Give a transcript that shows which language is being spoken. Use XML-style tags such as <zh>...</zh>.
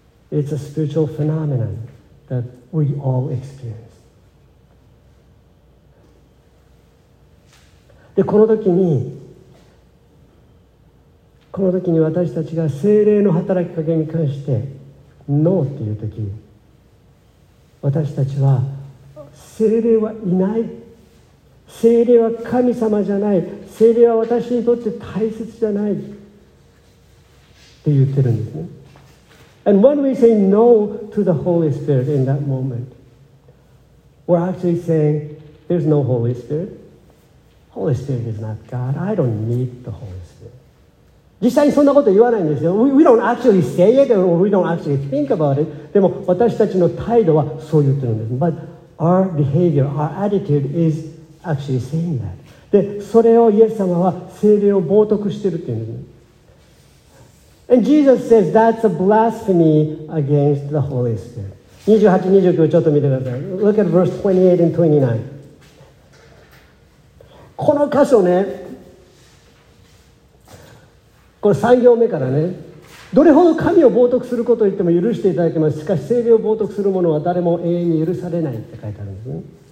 <en>It's a spiritual phenomenon that we all experience.</en> <ja>で、この時に私たちが聖霊の働きかけに関して NO っていう時、私たちは聖霊はいない、聖霊は神様じゃない、聖霊は私にとって大切じゃないって言ってるんですね。</ja> <en>And when we say no to the Holy Spirit in that moment, we're actually saying, there's no Holy Spirit. Holy Spirit is not God. I don't need the Holy Spirit.</en> <ja>実際にそんなこと言わないんですよ。</ja> <en>We don't actually say it, or we don't actually think about it.</en> <ja>でも私たちの態度はそう言ってるんです。</ja> <en>But our behavior, our attitude is actually saying that.</en> <ja>で、それをイエス様は聖霊を冒涜してるっていうんです。</ja> <en>And Jesus says that's a blasphemy against the Holy Spirit.</en> <ja>28, 29, ちょっと見てください。</ja> <en>Look at verse 28 and 29.</en> <ja>この箇所ね、これ3行目からね、どれほど神を冒涜することを言っても許していただけます。しかし聖霊を冒涜する者は誰も永遠に許されないって書いてあるんですね。</ja>